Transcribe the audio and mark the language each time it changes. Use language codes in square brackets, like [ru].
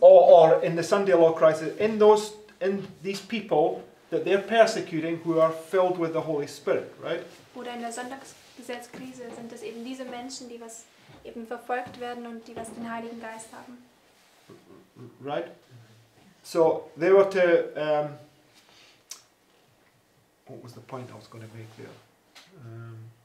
[en] Or in the Sunday law crisis, in these people that they're persecuting who are filled with the Holy Spirit, right? [de] Oder in der Sonntagsgesetzkrise sind es eben diese Menschen, die was eben verfolgt werden und die was den Heiligen Geist haben. [en] Right? So they were to what was the point I was going to make there?